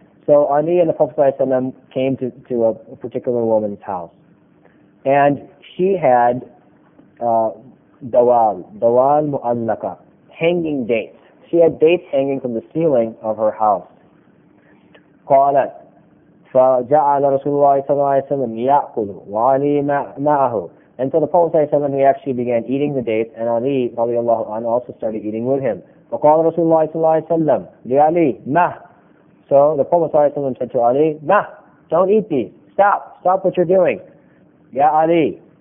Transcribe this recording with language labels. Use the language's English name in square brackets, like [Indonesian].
[English] So Ali and the Prophet came to a particular woman's house. And she had [Arabic] dawal mu'allaka, [English] hanging dates. She had dates hanging from the ceiling of her house. [Arabic] Qalat, فَجَعَلَ رَسُولُ اللَّهِ صَلَّى اللَّهِ عَلَيْهِ وَسَلَّمْ يَأْكُلُ وَعَلِي مَعَهُ [English] And so the Prophet ﷺ, he actually began eating the dates, and Ali رضي الله عنه also started eating with him. [Arabic] فَقَالَ رَسُولُ اللَّهِ صَلَّى اللَّهِ عَلَيْهِ وَسَلَّمْ لِعَلِي مَعَهُ [English] So the Prophet ﷺ said to Ali, مَعَهُ Don't eat these. Stop what you're doing. [Arabic] Ya Ali,